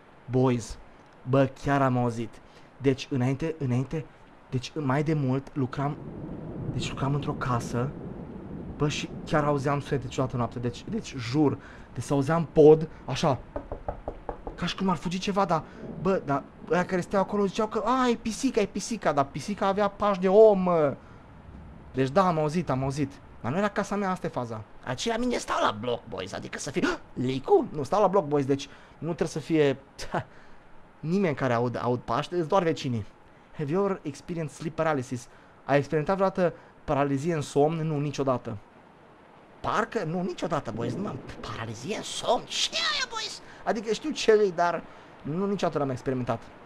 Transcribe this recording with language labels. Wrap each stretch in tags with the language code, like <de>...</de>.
<ro>Boys, bă, chiar am auzit. Deci, înainte, deci mai de mult lucram într-o casă, bă, și chiar auzeam sunete ciudate noaptea, deci jur, deci auzeam pod, așa, ca și cum ar fugi ceva, dar, bă, dar aia care stau acolo ziceau că, a, e pisica, e pisica, dar pisica avea pași de om, mă. Deci da, am auzit. Dar nu era casa mea, asta e faza. Aceea mine stau la bloc, boys, adică să fie... Licu? Nu, stau la bloc, boys, deci nu trebuie să fie... Nimeni care aud paște, sunt doar vecinii.</ro> <en>Have you ever experienced sleep paralysis?</en> <ro>Ai experimentat vreodată paralizie în somn? Nu, niciodată. Parcă? Nu, niciodată, boys, nu am paralizie în somn. Ce aia, boys? Adică știu ce e, dar nu niciodată n-am experimentat.</ro>